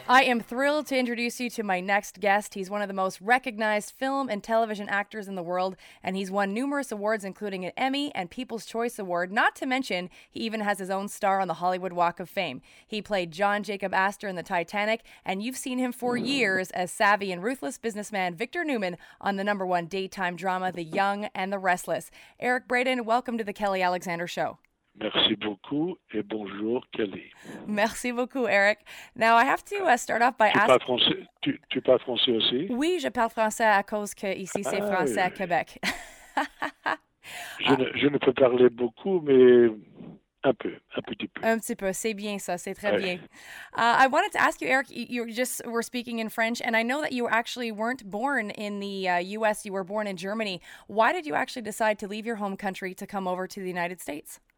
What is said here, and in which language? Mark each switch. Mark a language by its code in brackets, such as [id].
[en] I am thrilled to introduce you to my next guest. He's one of the most recognized film and television actors in the world, and he's won numerous awards, including an Emmy and People's Choice Award, not to mention he even has his own star on the Hollywood Walk of Fame. He played John Jacob Astor in the Titanic, and you've seen him for years as savvy and ruthless businessman Victor Newman on the number one daytime drama, The Young and the Restless. Eric Braeden, welcome to the Kelly Alexander Show. [fr] Merci beaucoup et bonjour, Kelly. Merci beaucoup, Eric. [en] Now, I have to start off by asking... [fr] Tu parles français aussi? Oui, je parle français à cause que ici, c'est français à Québec. Je ne peux parler beaucoup, mais un peu, un petit peu. Un petit peu, c'est bien ça, c'est très bien. [en] I wanted to ask you, Eric, you just were speaking in French, and I know that you actually weren't born in the U.S., you were born in Germany. Why did you actually decide to leave your home country to come over to the United States?